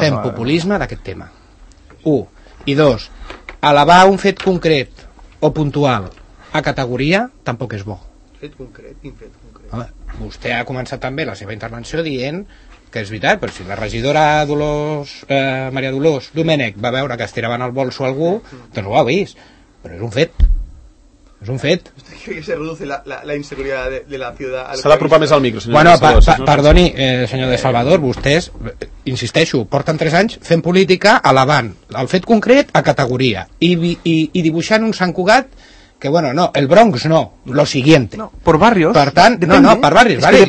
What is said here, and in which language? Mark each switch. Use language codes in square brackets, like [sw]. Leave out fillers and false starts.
[ca] i fent populisme d'aquest tema. 1 i 2, elevar un fet concret o puntual a categoria tampoc és bo. Fet concret, infet concret. Vostè ha començat també la seva intervenció dient que és veritat, però si la regidora Dolors, Maria Dolors Domènech va veure que estiraven el bolso a algú, doncs ho ha vist, però és un fet. És un fet. [es] Se reduce la inseguridad de la ciudad. [ca] S'ha d'apropar més al micro, senyor. Bueno, perdoni, senyor de Salvador, vostès, insisteixo, porten 3 anys fent política alabant el fet concret a categoria i dibuixant un Sant Cugat que, bueno, no, el Bronx no, [es] lo siguiente. [ca] No, [es] por barrios. [ca] Per tant, depende. No, per barrios, vale.